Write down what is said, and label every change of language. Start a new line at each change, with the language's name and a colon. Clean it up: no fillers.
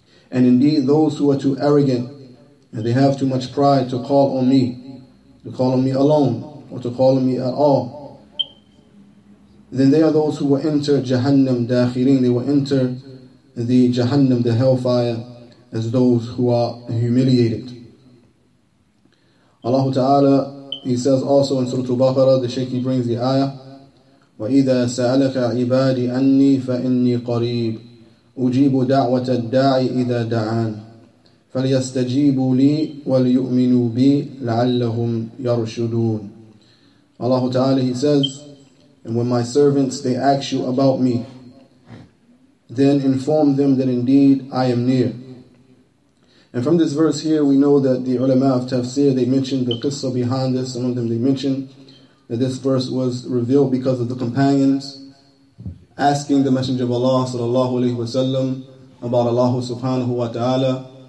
English: And indeed those who are too arrogant and they have too much pride to call on me, to call on me alone, or to call on me at all, then they are those who will enter Jahannam Dakhirin, they will enter the Jahannam, the hellfire, as those who are humiliated. Allah Ta'ala, he says also in Surah Al-Baqarah, the Shaykh, he brings the ayah,
Arabic: وَإِذَا سَأَلَكَ عِبَادِي أَنِّي فَإِنِّي قَرِيبٌ أُجِيبُ دَعْوَةَ الدَّاعِ إِذَا دَعَانِ فَلْيَسْتَجِيبُوا لِي وَلْيُؤْمِنُوا بِي لَعَلَّهُمْ يَرْشُدُونَ.
English: Allah Ta'ala, he says, and when my servants, they ask you about me, then inform them that indeed I am near. And from this verse here, we know that the ulama of tafsir, they mentioned the qissa behind this. Some of them, they mentioned that this verse was revealed because of the companions asking the Messenger of Allah sallallahu alayhi wa sallam about Allah subhanahu wa ta'ala.